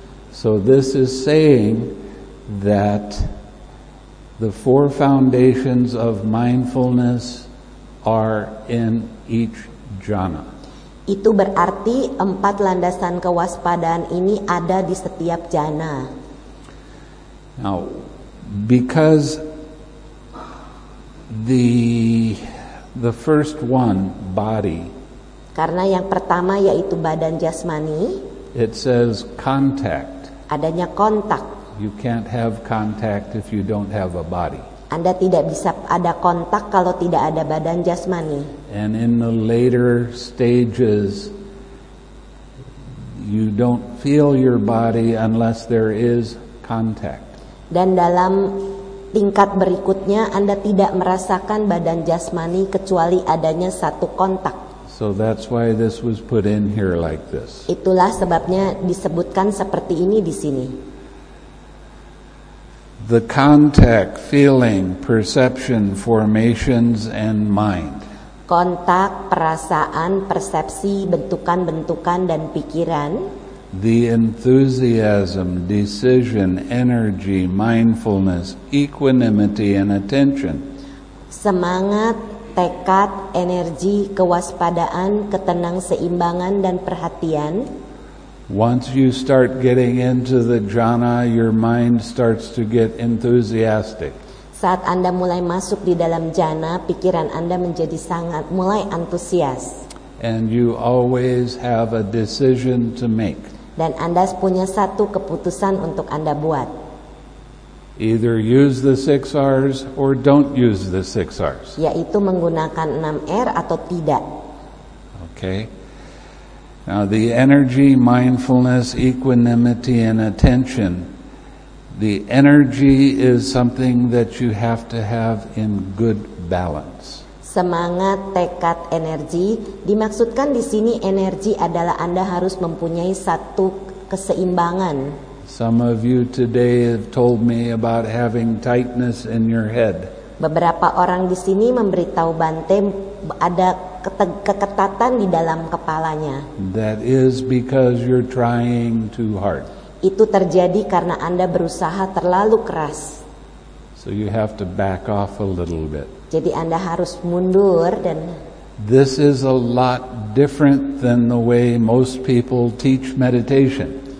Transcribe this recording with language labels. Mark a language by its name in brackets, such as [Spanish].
[English] So this is saying that the four foundations of mindfulness are in each jhana. [Indonesian] Itu berarti empat landasan kewaspadaan ini ada di setiap jhana. [English] Now, because the first one, body. [Indonesian] Karena yang pertama yaitu badan jasmani. [English] It says contact. [Indonesian] Adanya kontak. [English] You can't have contact if you don't have a body. [Indonesian] Anda tidak bisa ada kontak kalau tidak ada badan jasmani. [English] And in the later stages, you don't feel your body unless there is contact. [Indonesian] Dan dalam tingkat berikutnya, Anda tidak merasakan badan jasmani kecuali adanya satu kontak. [English] So that's why this was put in here like this. [Indonesian] Itulah sebabnya disebutkan seperti ini di sini. [English] The contact, feeling, perception, formations, and mind. [Indonesian] Kontak, perasaan, persepsi, bentukan-bentukan, dan pikiran. [English] The enthusiasm, decision, energy, mindfulness, equanimity, and attention. [Indonesian] Semangat, tekad, energi, kewaspadaan, ketenang seimbangan, dan perhatian. [English] Once you start getting into the jhana, your mind starts to get enthusiastic. [Indonesian] Saat Anda mulai masuk di dalam jhana, pikiran Anda menjadi sangat mulai antusias. [English] And you always have a decision to make. [Indonesian] Dan Anda punya satu keputusan untuk Anda buat. [English] Either use the 6 R's or don't use the 6 R's. [Indonesian] Yaitu menggunakan 6 R atau tidak. [English] Okay. Now the energy, mindfulness, equanimity, and attention. The energy is something that you have to have in good balance. [Indonesian] Semangat, tekad, energi. Dimaksudkan di sini energi adalah Anda harus mempunyai satu keseimbangan. [English] Some of you today have told me about having tightness in your head. [Indonesian] Beberapa orang di sini memberitahu Bante ada keketatan di dalam kepalanya. [English] That is because you're trying too hard. [Indonesian] Itu terjadi karena Anda berusaha terlalu keras. [English] So you have to back off a little bit. [Indonesian] Jadi Anda harus mundur dan. [English] This is a lot different than the way most people teach meditation.